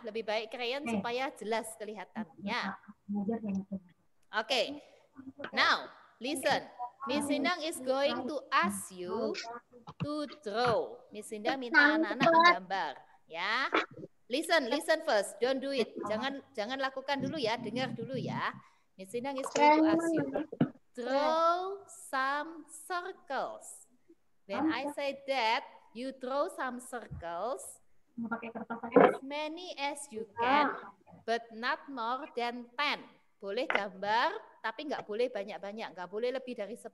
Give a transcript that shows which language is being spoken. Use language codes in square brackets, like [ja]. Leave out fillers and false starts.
[id] Lebih baik crayon supaya jelas kelihatannya. [en] Okay. Now, listen. Miss Rindang is going to ask you to draw. Miss Rindang [id] minta anak-anak menggambar. Ya. [en] Listen, listen first. Don't do it. [id] Jangan jangan lakukan dulu ya. Dengar dulu ya. [en] Miss Rindang is going to ask you. Draw some circles. When I say that, you draw some circles as many as you can, but not more than 10. [id] Boleh gambar, tapi nggak boleh banyak-banyak, nggak boleh lebih dari 10.